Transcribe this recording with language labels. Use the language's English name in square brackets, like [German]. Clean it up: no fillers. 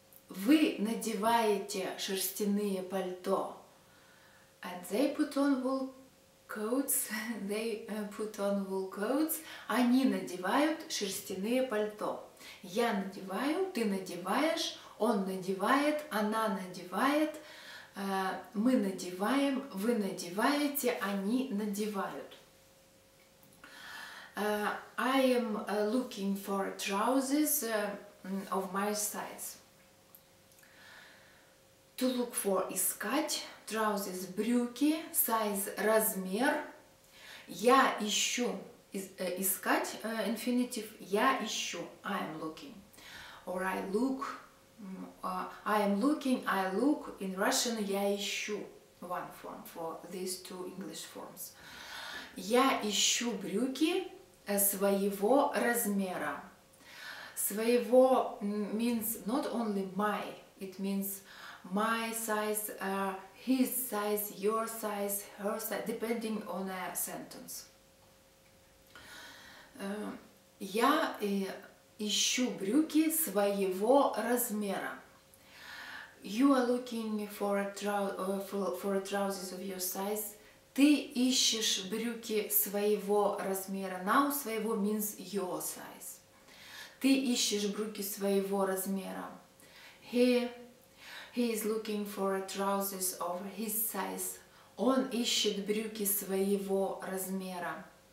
[Russian] Вы надеваете шерстяные пальто. [English] And they put on wool coats, they put on wool coats. [Russian] Они надевают шерстяные пальто. Я надеваю, ты надеваешь, он надевает, она надевает, мы надеваем, вы надеваете, они надевают. [English] I am looking for trousers of my size. To look for, искать. Trousers, брюки, size, размер. [Russian] Я ищу, искать, infinitive, я ищу, [English] I am looking. Or I look, I am looking, I look, in Russian, [Russian] я ищу. [English] One form for these two English forms. [Russian] Я ищу брюки своего размера. [English] Своего means not only my, it means my size, his size, your size, her size, depending on a sentence. [Russian] Я ищу брюки своего размера. [English] You are looking for for trousers of your size. [Russian] Ты ищешь брюки своего размера. [English] Now своего means your size. [Russian] Ты ищешь брюки своего размера. [English] He is looking for trousers of his size. [Russian] Он ищет брюки своего размера.